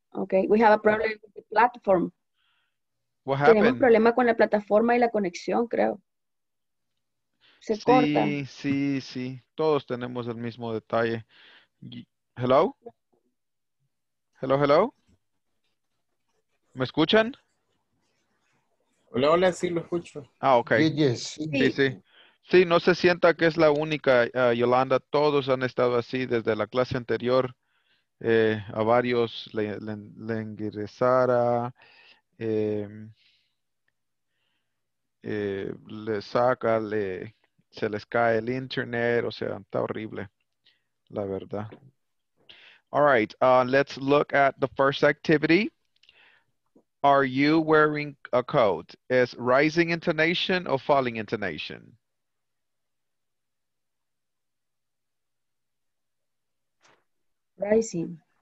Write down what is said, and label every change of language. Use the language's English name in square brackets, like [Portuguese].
[English] Okay, we have a problem with the platform. What happened? [Spanish] Tenemos problema con la plataforma y la conexión, creo. Se sí, corta. Sí, sí, sí. Todos tenemos el mismo detalle. [English] Hello? Hello, hello? [Spanish] ¿Me escuchan? Hola, hola, sí, lo escucho. Ah, okay. [English] Yes. [Spanish] Sí, sí. Sí, no se sienta que es la única, Yolanda. Todos han estado así desde la clase anterior. A varios le ingresara, le saca, se les cae el internet, o sea, está horrible, la verdad. [English] All right, let's look at the first activity. Are you wearing a coat? Is rising intonation or falling intonation? Rising.